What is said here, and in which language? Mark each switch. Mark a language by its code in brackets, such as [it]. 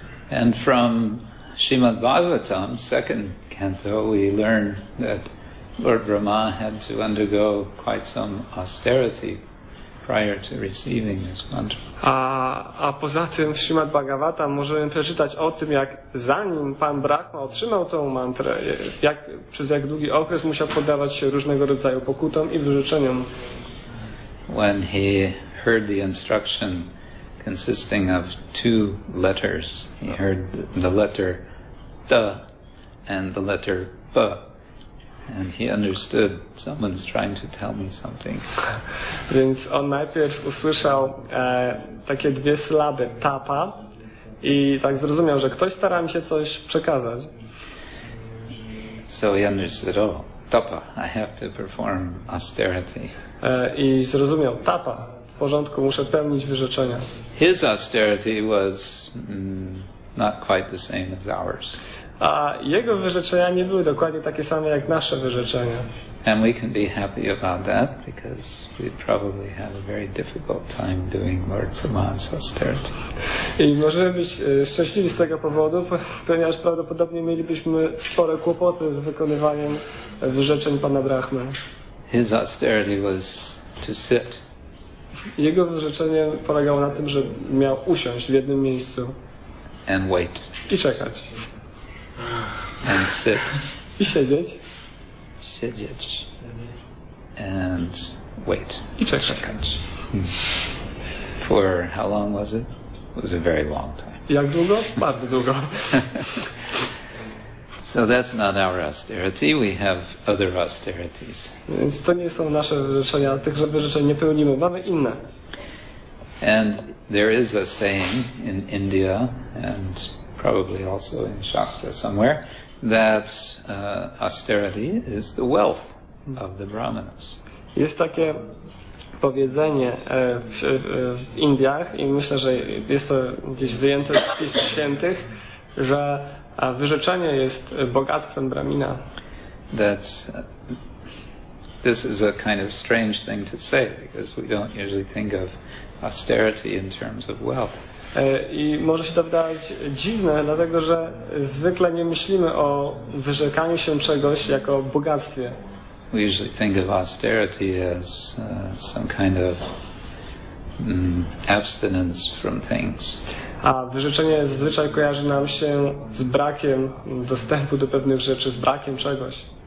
[en] And from Srimad Bhagavatam, second canto, we learn that Lord Brahma had to undergo quite some austerity prior to receiving this mantra. [pl] A poza tym w Srimad Bhagavatam możemy przeczytać o tym, jak zanim pan Brahma otrzymał tą mantrę, jak przez jak długi okres musiał poddawać się różnego rodzaju pokutom i wyrzeczeniom. [en] When he heard the instruction consisting of two letters, he heard the letter da and the letter ba. And he understood someone's trying to tell me something. [pl] Więc on najpierw usłyszał takie dwie sylaby tapa i tak zrozumiał, że ktoś stara mi się coś przekazać. [en] So he understood, oh, tapa, I have to perform austerity. [pl] I zrozumiał, tapa, w porządku, muszę pełnić wyrzeczenia. [en] His austerity was not quite the same as ours. [pl] A jego wyrzeczenia nie były dokładnie takie same jak nasze wyrzeczenia. [en] And we can be happy about that because we probably have a very difficult time doing Lord Brahma's austerity. [pl] I możemy być szczęśliwi z tego powodu, ponieważ prawdopodobnie mielibyśmy spore kłopoty z wykonywaniem wyrzeczeń pana Brahmy. [en] His austerity was to sit. [pl] Jego wyrzeczenie polegało na tym, że miał usiąść w jednym miejscu. [en] And wait. [pl] I czekać. [en] And sit. [pl] I siedzieć. Siedzieć. [en] And wait. [pl] I czekać. [en] For how long was it? It was a very long time. [pl] Jak długo? Bardzo długo. [en] So that's not our austerity. We have other austerities. [pl] Więc to nie są nasze wyrzeczenia, tych wyrzeczeń nie pełnimy. Mamy inne. [en] And there is a saying in India and probably also in Shastra somewhere, that austerity is the wealth of the Brahmanas. [pl] Jest takie powiedzenie w Indiach i myślę, że jest to gdzieś wyjęte z Pism Świętych, że wyrzeczenie jest bogactwem Brahmina. [en] This is a kind of strange thing to say, because we don't usually think of austerity in terms of wealth. [pl] I może się to wydawać dziwne, dlatego że zwykle nie myślimy o wyrzekaniu się czegoś jako bogactwie. [en] We usually think of austerity as some kind of abstinence from things. [pl] A wyrzeczenie zazwyczaj kojarzy nam się z brakiem dostępu do pewnych rzeczy, z brakiem czegoś.